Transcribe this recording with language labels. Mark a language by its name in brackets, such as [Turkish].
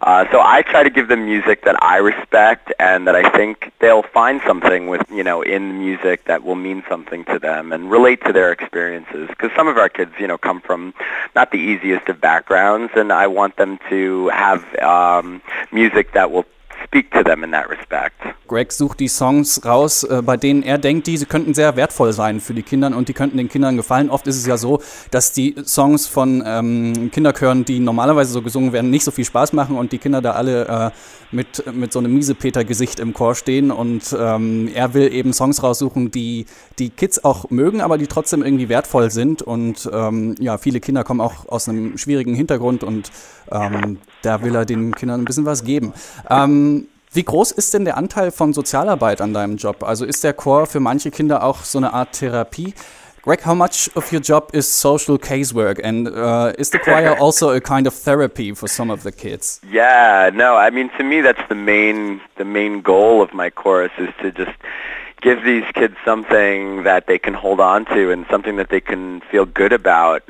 [English] So I try to give them music that I respect and that I think they'll find something with, you know, in music that will mean something to them and relate to their experiences. Because some of our kids, you know, come from not the easiest of backgrounds, and I want them to have music that will speak to them in that respect. [German] Greg sucht die Songs raus, bei denen er denkt, diese könnten sehr wertvoll sein für die Kinder und die könnten den Kindern gefallen. Oft ist es ja so, dass die Songs von Kinderchören, die normalerweise so gesungen werden, nicht so viel Spaß machen und die Kinder da alle mit so einem Miesepeter-Gesicht im Chor stehen. Und er will eben Songs raussuchen, die die Kids auch mögen, aber die trotzdem irgendwie wertvoll sind. Und ja, viele Kinder kommen auch aus einem schwierigen Hintergrund und da will er den Kindern ein bisschen was geben. Wie groß ist denn der Anteil von Sozialarbeit an deinem Job? Also ist der Chor für manche Kinder auch so eine Art Therapie? [English] Greg, how much of your job is social casework? And is the choir also a kind of therapy for some of the kids? Yeah, no, I mean, to me, that's the main goal of my chorus is to just give these kids something that they can hold on to and something that they can feel good about.